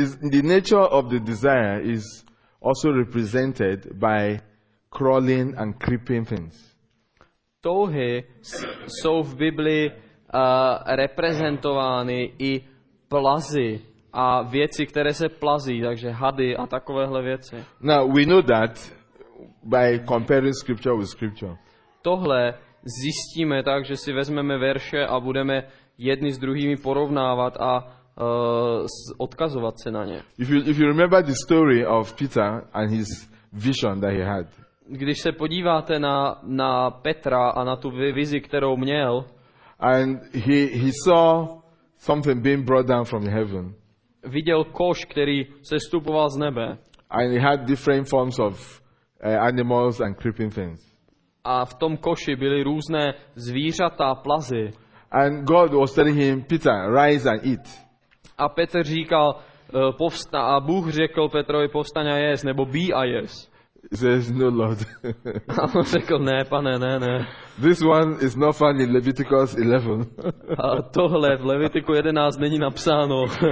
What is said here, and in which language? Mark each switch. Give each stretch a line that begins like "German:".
English: The nature of the desire is also represented by crawling and creeping things.
Czech: Touhy jsou v Bibli reprezentovány i plazy a věci, které se plazí, takže hady a takovéhle věci.
English: Now we know that by comparing scripture with scripture.
Czech: Tohle zjistíme tak, že si vezmeme verše a budeme jedni s druhými porovnávat a odkazovat se na ně.
English: If you remember the story of Peter and his vision that he had.
Czech: Když se podíváte na Petra a na tu vizi, kterou měl.
English: And he saw something being brought down from heaven.
Czech: Viděl koš, který sestupoval z nebe.
English: And he had different forms of animals and creeping things.
Czech: A v tom koši byly různé zvířata a plazy.
English: And God was telling him, Peter, rise and eat.
Czech: A Petr říkal, povsta, a Bůh řekl Petrovi, povstaň a jes, nebo be a jes.
English: He says, no, Lord.
Czech: A on řekl, ne, pane, ne, ne.
English: This one is not found in Leviticus 11.
Czech: A tohle v Levitiku 11 není napsáno.